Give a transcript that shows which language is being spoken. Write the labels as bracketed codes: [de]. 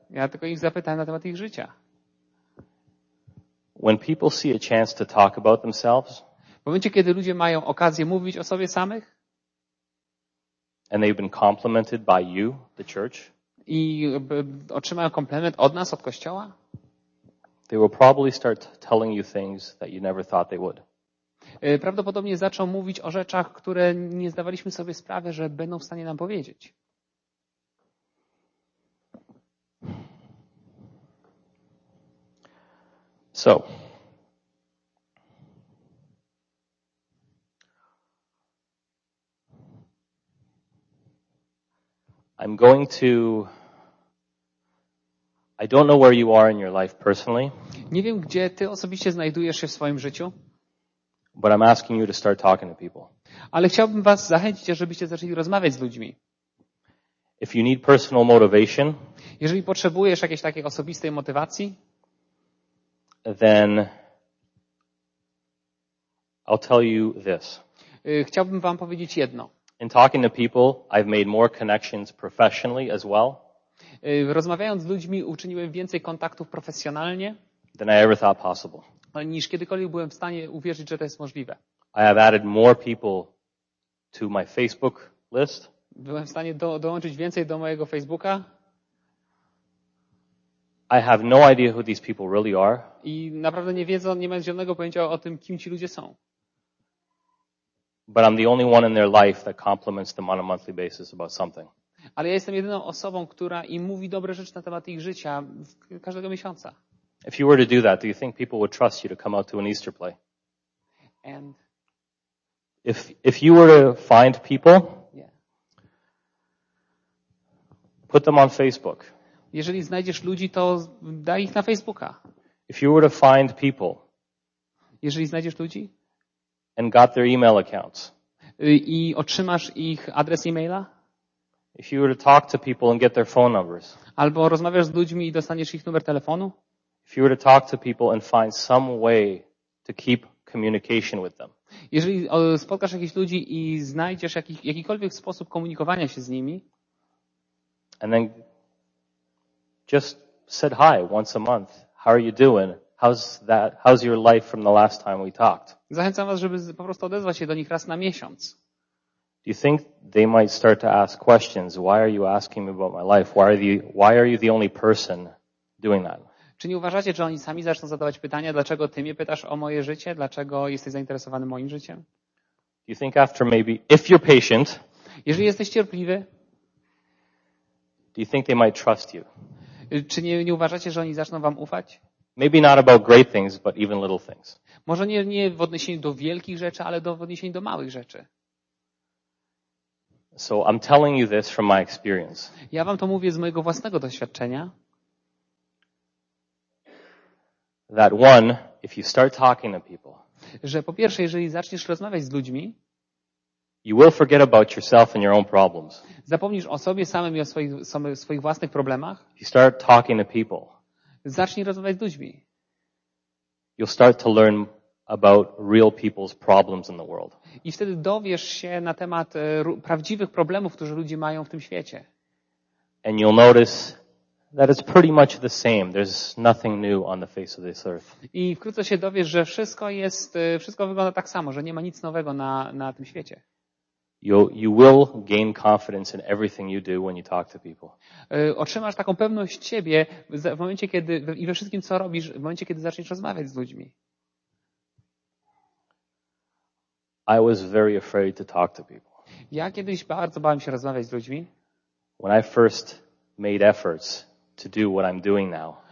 [pl] Ja tylko ich zapytałem na temat ich życia. [en] When people see a chance to talk about themselves, [pl] w momencie, kiedy ludzie mają okazję mówić o sobie samych, [en] and they've been complimented by you, the church, [pl] i otrzymają komplement od nas, od Kościoła, [en] they will probably start telling you things that you never thought they would. [pl] Prawdopodobnie zaczną mówić o rzeczach, które nie zdawaliśmy sobie sprawy, że będą w stanie nam powiedzieć. [en] So, I'm going to. I don't know where you are in your life personally. [pl] Nie wiem, gdzie ty osobiście znajdujesz się w swoim życiu. [en] But I'm asking you to start talking to people. [pl] Ale chciałbym was zachęcić, żebyście zaczęli rozmawiać z ludźmi. [en] If you need personal motivation, [pl] jeżeli potrzebujesz jakiejś takiej osobistej motywacji, [en] then I'll tell you this. [pl] Chciałbym wam powiedzieć jedno. [en] In talking to people, I've made more connections professionally as well. [pl] Rozmawiając z ludźmi, uczyniłem więcej kontaktów profesjonalnie [en] than I ever thought possible. [pl] Niż kiedykolwiek byłem w stanie uwierzyć, że to jest możliwe. [en] I have added more people to my Facebook list. [pl] Byłem w stanie dołączyć więcej do mojego Facebooka. [en] I have no idea who these people really are. [pl] I naprawdę nie mam zielonego pojęcia o tym, kim ci ludzie są. [en] But I'm the only one in their life that compliments them on a monthly basis about something. [pl] Ale ja jestem jedyną osobą, która im mówi dobre rzeczy na temat ich życia każdego miesiąca. [en] If you were to do that, do you think people would trust you to come out to an Easter play? And if you were to find people, yeah. Put them on Facebook. [pl] Jeżeli znajdziesz ludzi, to daj ich na Facebooka. [en] If you were to find people, [pl] jeżeli znajdziesz ludzi, [en] and got their email accounts, [pl] i otrzymasz ich adres e-maila. [en] If you were to talk to people and get their phone numbers. [pl] Albo rozmawiasz z ludźmi i dostaniesz ich numer telefonu. [en] If you were to talk to people and find some way to keep communication with them. [pl] Jeżeli spotkasz jakichś ludzi i znajdziesz jakikolwiek sposób komunikowania się z nimi. [en] And then just said hi once a month. How are you doing? How's your life from the last time we talked? [pl] Zachęcam was, żeby po prostu odezwać się do nich raz na miesiąc. [en] Do you think they might start to ask questions? Why are you asking me about my life? Why are you the only person doing that? [pl] Czy nie uważacie, że oni sami zaczną zadawać pytania, dlaczego ty mnie pytasz o moje życie? Dlaczego jesteś zainteresowany moim życiem? [en] Do you think after maybe, if you're patient, [pl] jeżeli jesteś cierpliwy, [en] do you think they might trust you? [pl] Czy nie uważacie, że oni zaczną wam ufać? [en] Maybe not about great things, but even little things. [pl] Może nie w odniesieniu do wielkich rzeczy, ale w odniesieniu do małych rzeczy. [en] So I'm telling you this from my experience. [pl] Ja wam to mówię z mojego własnego doświadczenia. [en] That one, if you start talking to people, [pl] że po pierwsze, jeżeli zaczniesz rozmawiać z ludźmi, [en] you will forget about yourself and your own problems. [pl] Zapomnisz o sobie samym i o swoich własnych problemach. [en] If you start talking to people, [pl] zacznij rozmawiać z ludźmi. [en] You'll start to learn about real people's problems in the world. [pl] I wtedy dowiesz się na temat prawdziwych problemów, które ludzie mają w tym świecie. [en] And you'll notice that it's pretty much the same. There's nothing new on the face of this earth. [pl] I wkrótce się dowiesz, że wszystko wygląda tak samo, że nie ma nic nowego na tym świecie. [en] You will gain confidence in everything you do when you talk to people. [pl] Otrzymasz taką pewność siebie w momencie kiedy i we wszystkim co robisz, w momencie kiedy zaczniesz rozmawiać z ludźmi. [en] I was very afraid to talk to people. [pl] Ja kiedyś bardzo bałem się rozmawiać z ludźmi. [en] When I first made efforts to do what I'm doing now.